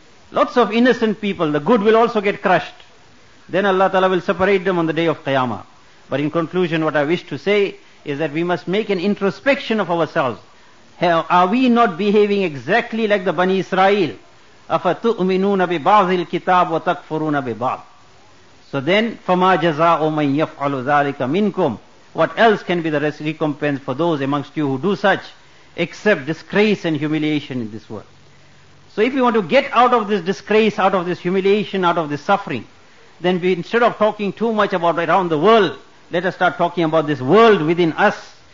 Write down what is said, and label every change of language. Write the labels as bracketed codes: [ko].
[en] Lots of innocent people, the good will also get crushed. Then Allah ta'ala will separate them on the day of Qiyamah. But in conclusion, what I wish to say is that we must make an introspection of ourselves. Are we not behaving exactly like the Bani Israel? [ar] أَفَتُؤْمِنُونَ بِبَعْضِ الْكِتَابِ وَتَكْفُرُونَ بِبَعْضِ. [en] So then, [ar] فَمَا جَزَاءُ مَنْ يَفْعَلُ ذَلِكَ مِنْكُمْ. [en] What else can be the recompense for those amongst you who do such, except disgrace and humiliation in this world? So if you want to get out of this disgrace, out of this humiliation, out of this suffering, then we, instead of talking too much about around the world, let us start talking about this world within us.